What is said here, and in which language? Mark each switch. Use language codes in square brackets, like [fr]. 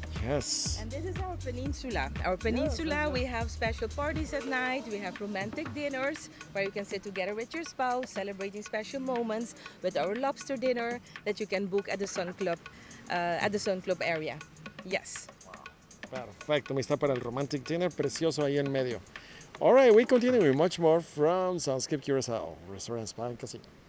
[en] Yes. And this is our peninsula. Our peninsula, yeah, we have special parties at night. We have romantic dinners where you can sit together with your spouse, celebrating special moments with our lobster dinner that you can book at the Sun Club, area. Yes. [es] Perfecto, me está para el [en] romantic dinner, [es] precioso ahí en medio. [en] All right, we continue with much more from Sunscape Curacao, Restaurant Spa and Casino.